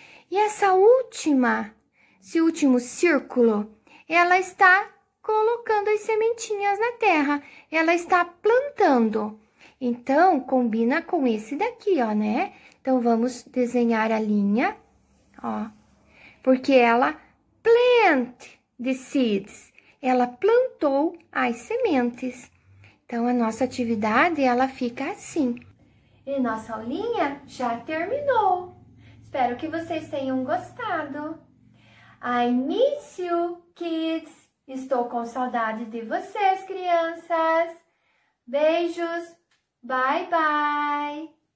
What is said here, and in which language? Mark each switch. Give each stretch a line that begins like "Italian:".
Portuguese: E essa última, esse último círculo, ela está colocando as sementinhas na terra. Ela está plantando. Então, combina com esse daqui, ó, né? Então, vamos desenhar a linha, ó. Porque ela
English: plant the seeds.
Portuguese: Ela plantou as sementes. Então, a nossa atividade, ela fica assim. E nossa aulinha já terminou. Espero que vocês tenham gostado.
English: I miss you, kids.
Portuguese: Estou com saudade de vocês, crianças. Beijos.
English: Bye, bye.